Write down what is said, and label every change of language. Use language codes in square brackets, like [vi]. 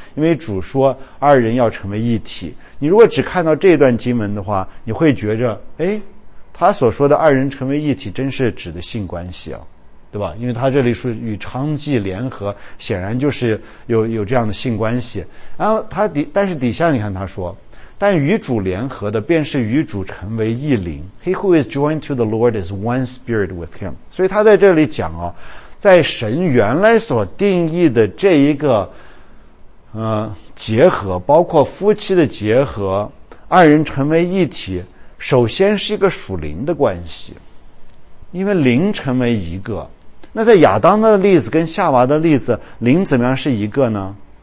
[zh] 因为主说二人要成为一体。你如果只看到这段经文的话，你会觉着诶，他所说的二人成为一体真是指的性关系啊，对吧？因为他这里是与娼妓联合，显然就是有这样的性关系。然后但是底下你看他说，但与主联合的便是与主成为一灵。 [en] He who is joined to the Lord is one spirit with him. [zh] 所以他在这里讲哦，在神原来所定义的这一个结合，包括夫妻的结合，二人成为一体，首先是一个属灵的关系。因为灵成为一个，那在亚当的例子跟夏娃的例子，灵怎么样是一个呢？